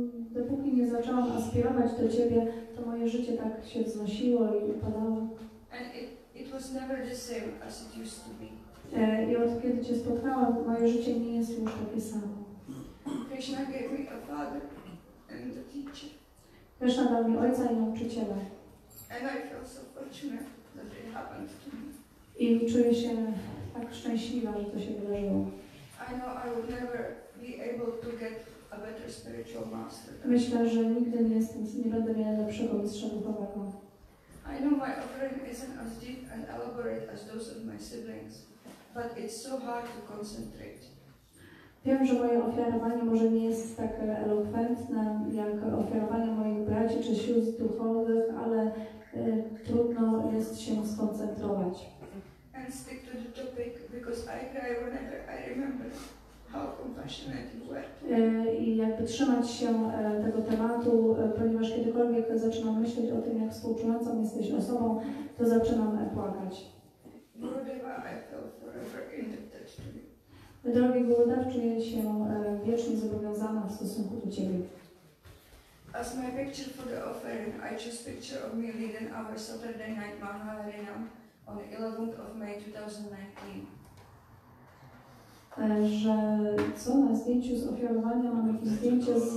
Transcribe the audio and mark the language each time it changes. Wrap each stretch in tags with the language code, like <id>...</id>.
<pl>Dopóki nie zaczęłam aspirować do ciebie, to moje życie tak się wznosiło i upadało.</pl> <en>It was never the same as it used to be.</en> <pl>I od kiedy cię spotkałam, moje życie nie jest już takie samo.</pl> <en>Krishna gave me a father and a teacher.</en> <pl>Krishna dał mi ojca i nauczyciela.</pl> <en>And I feel so fortunate that it happened to me.</en> <pl>I czuję się tak szczęśliwa, że to się wydarzyło.</pl> <en>I know I would never be able to get a better spiritual master.</en> <pl>Myślę, że nigdy nie będę miała lepszego mistrza duchowego.</pl> <en>I know my offering isn't as deep and elaborate as those of my siblings, but it's so hard to concentrate.</en> <pl>Wiem, że moje ofiarowanie może nie jest tak elokwentne jak ofiarowanie moich braci czy sióstr duchowych, ale trudno jest się skoncentrować.</pl> <en>And stick to the topic because I cry whenever I remember how compassionate you were.</en> <pl>I jakby trzymać się tego tematu, ponieważ kiedykolwiek zaczynam myśleć o tym, jak współczującą jesteś osobą, to zaczynam płakać.</pl> <en>Gurudeva, I feel forever indebted to you.</en> <pl>Drogi Gurudev, czuję się wiecznie zobowiązana w stosunku do ciebie.</pl> <en>As my picture for the offering, I choose picture of me leading our Saturday night Mahaharinam on the 11th of May 2019.</en> <pl>Że co na zdjęciu z ofiarowania mamy jakieś zdjęcie z.</pl>